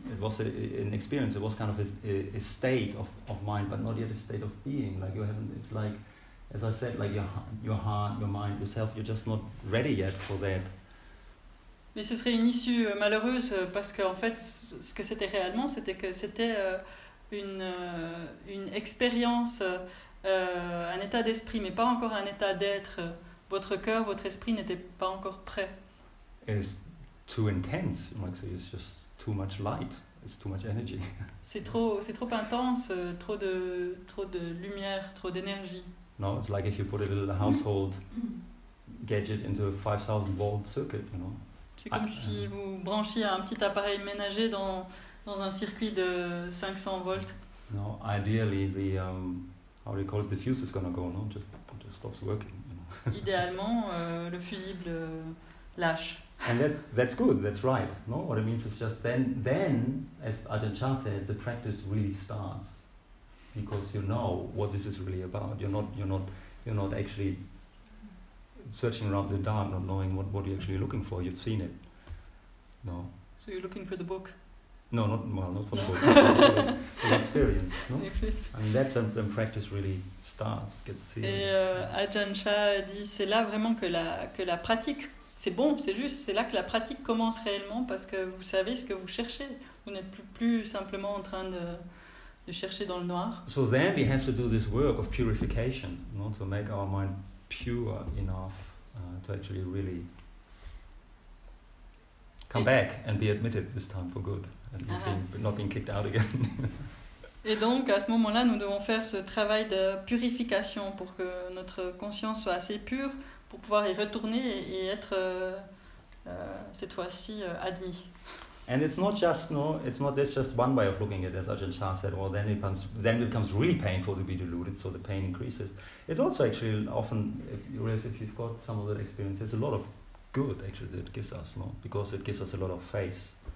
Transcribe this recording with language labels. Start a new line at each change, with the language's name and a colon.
English: It was an experience. It was kind of a state of mind, but not yet a state of being. Like you haven't. It's like, as I said, like your heart, your mind, yourself. You're just not ready yet for that.
French: Mais ce serait une issue malheureuse parce qu'en fait, ce que c'était réellement, c'était que c'était une expérience, un état d'esprit, mais pas encore un état d'être. Votre cœur, votre esprit n'était pas encore prêt.
English: Too intense, like say, it's just too much light, it's too much energy.
French: C'est trop intense, trop de lumière, trop d'énergie.
English: No, it's like if you put a little household gadget into a 5000 volt circuit, you know.
French: C'est comme si vous branchiez un petit appareil ménager dans un circuit de 500 volts.
English: No, ideally the how do you call it, the fuse is gonna go, no, just stops working. You know.
French: Idéalement, le fusible lâche.
English: And that's good, that's right. No, what it means is just then, as Ajahn Chah said, the practice really starts, because you know what this is really about. You're not actually searching around the dark, not knowing what you're actually looking for. You've seen it. No. So you're looking for the book. No, not for the book. For the experience. No. Experience. I mean, that's when practice really starts. Gets serious.
French: Et Ajahn Chah dit, c'est là vraiment que la pratique. C'est bon, c'est juste, c'est là que la pratique commence réellement, parce que vous savez ce que vous cherchez. Vous n'êtes plus simplement en train de chercher dans le noir.
English: So then we have to do this work of purification, you know, to make our mind pure enough to actually really come back and be admitted this time for good, and not being kicked out again.
French: Et donc, à ce moment-là, nous devons faire ce travail de purification pour que notre conscience soit assez pure pour pouvoir y retourner et être cette fois-ci admis.
English: And it's not just, no, it's not, there's just one way of looking at it, as Ajahn Chah said, well, then it becomes really painful to be deluded, so the pain increases. It's also actually often, if you've got some of that experience, there's a lot of good, actually, that it gives us, no, because it gives us a lot of faith.